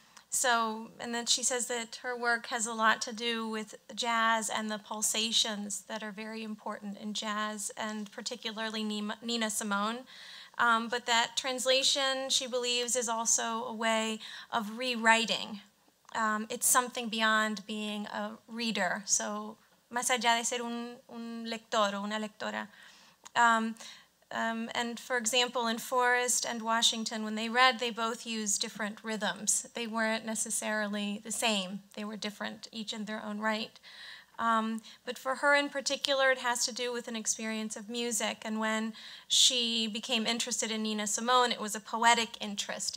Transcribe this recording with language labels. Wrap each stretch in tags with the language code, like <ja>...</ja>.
<en>So, and then she says that her work has a lot to do with jazz and the pulsations that are very important in jazz, and particularly Nina Simone. But that translation, she believes, is also a way of rewriting. It's something beyond being a reader.</en> <es>So, más allá de ser un lector o una lectora.</es> <en>And for example, in Forrest and Washington, when they read, they both used different rhythms. They weren't necessarily the same. They were different, each in their own right. But for her in particular, it has to do with an experience of music. And when she became interested in Nina Simone, it was a poetic interest.</en>